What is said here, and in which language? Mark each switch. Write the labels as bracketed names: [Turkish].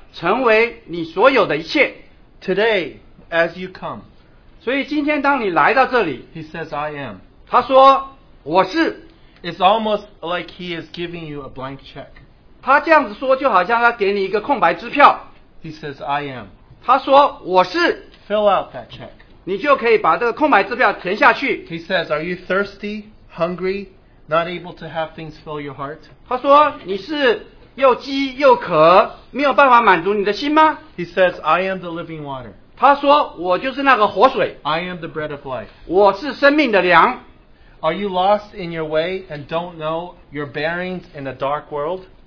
[Chinese] 我在这里就已经预备了成为你所有的一切。 [English] Today, as you come, [Chinese] 所以今天当你来到这里, [English] he says, I am. [Chinese] 他说, 我是, [English] it's almost like he is giving you a blank check. [Chinese] 他这样子说就好像他给你一个空白支票。 [English] He says, I am. [Chinese] 他说, 我是, [English] fill out that check. [Chinese] 你就可以把这个空白支票填下去。 [English] He says, are you thirsty, hungry, not able to have things fill your heart? [Chinese] 他说,你是又饥又渴,没有办法满足你的心吗? [English] He says, I am the living water. [Chinese] 他说,我就是那个活水。I [English] am the bread of life. [Chinese] 我是生命的粮。 [English] Are you lost in your way and don't know your bearings in a dark world?